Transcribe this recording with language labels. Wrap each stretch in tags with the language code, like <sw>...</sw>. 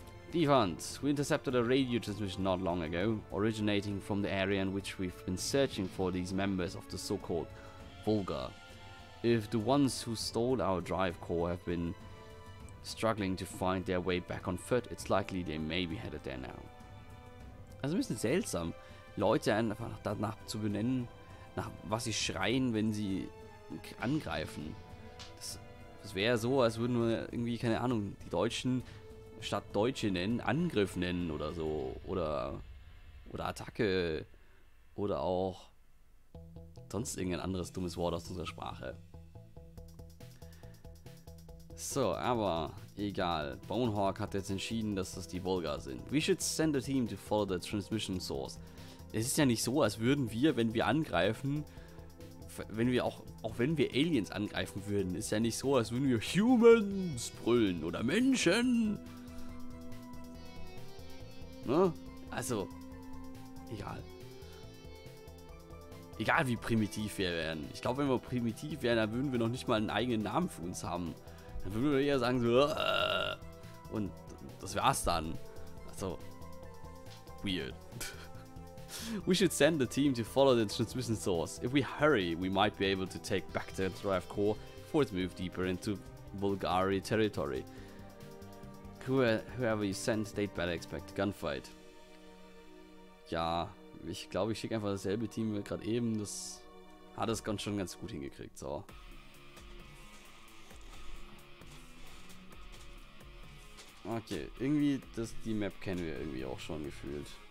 <en>Defense, we intercepted a radio transmission not long ago, originating from the area in which we've been searching for these members of the so-called Vulgar. If the ones who stole our drive core have been struggling to find their way back on foot, it's likely they may be headed there now.</en> <de>Also ein bisschen seltsam, Leute einfach danach zu benennen, nach was sie schreien, wenn sie angreifen. Es wäre so, als würden wir irgendwie, keine Ahnung, die Deutschen statt Deutsche nennen, Angriff nennen oder so. Oder Attacke. Oder auch sonst irgendein anderes dummes Wort aus unserer Sprache. So, aber egal. Bonehawk hat jetzt entschieden, dass das die Volga sind.</de> <en>We should send a team to follow the transmission source.</en> <de>Es ist ja nicht so, als würden wir, wenn wir angreifen, wenn wir auch wenn wir Aliens angreifen würden, ist ja nicht so, als würden wir Humans brüllen oder Menschen. Ne? Also, egal. Egal wie primitiv wir wären. Ich glaube, wenn wir primitiv wären, dann würden wir noch nicht mal einen eigenen Namen für uns haben. Dann würden wir eher sagen so, und das war's dann. Also, weird.</de> <en>We should send the team to follow the transmission source. If we hurry, we might be able to take back the drive core before it moves deeper into Bulgari territory. Whoever you send, they'd better expect a gunfight.</en> <de>Ja, ich glaube, ich schicke einfach dasselbe Team wie gerade eben. Das hat es ganz gut hingekriegt. So. Okay, irgendwie, die Map kennen wir irgendwie auch schon gefühlt.</de>